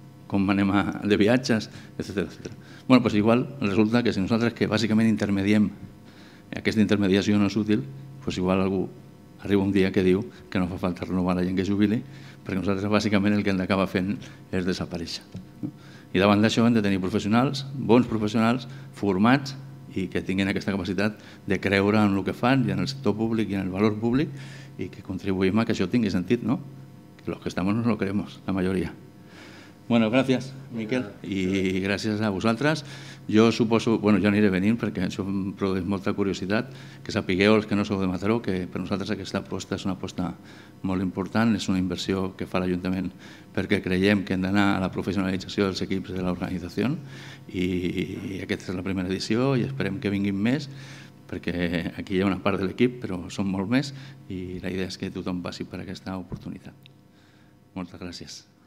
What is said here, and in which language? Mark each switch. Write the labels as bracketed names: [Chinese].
[Catalan] Com anem de viatges, etcètera, etcètera. Bueno, doncs igual resulta que si nosaltres que bàsicament intermediem, aquesta intermediació no és útil, doncs igual algú arriba un dia que diu que no fa falta renovar la gent que jubili, perquè nosaltres bàsicament el que hem d'acabar fent és desaparèixer. I davant d'això hem de tenir professionals, bons professionals, formats i que tinguin aquesta capacitat de creure en el que fan i en el sector públic i en el valor públic i que contribuïm a que això tingui sentit, no? [Spanish] Que los que estamos nos lo creemos, la mayoría. [Catalan] Bueno, gràcies, Miquel, i gràcies a vosaltres. Jo suposo, bueno, jo aniré venint perquè això em produeix molta curiositat, que sapigueu els que no sou de Mataró, que per nosaltres aquesta aposta és una aposta molt important, és una inversió que fa l'Ajuntament perquè creiem que hem d'anar a la professionalització dels equips de l'organització i aquesta és la primera edició i esperem que vinguin més, perquè aquí hi ha una part de l'equip, però són molt més i la idea és que tothom passi per aquesta oportunitat. Moltes gràcies.